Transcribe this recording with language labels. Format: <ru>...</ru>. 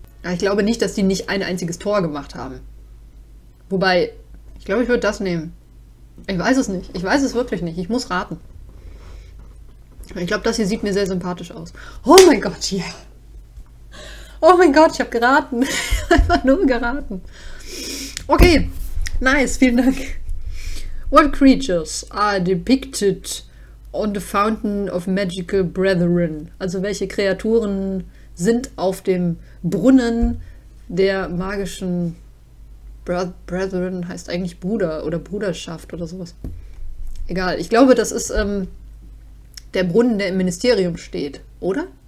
<de>Aber ich glaube nicht, dass die nicht ein einziges Tor gemacht haben. Wobei, ich glaube, ich würde das nehmen. Ich weiß es nicht. Ich weiß es wirklich nicht. Ich muss raten. Ich glaube, das hier sieht mir sehr sympathisch aus. Oh mein Gott, ja. Yeah. Oh mein Gott, ich habe geraten. einfach nur geraten. Okay, nice, vielen Dank.</de> <en>What creatures are depicted on the Fountain of Magical Brethren?</en> <de>Also welche Kreaturen sind auf dem Brunnen der magischen Brethren, heißt eigentlich Bruder oder Bruderschaft oder sowas. Egal, ich glaube, das ist der Brunnen, der im Ministerium steht, oder?</de>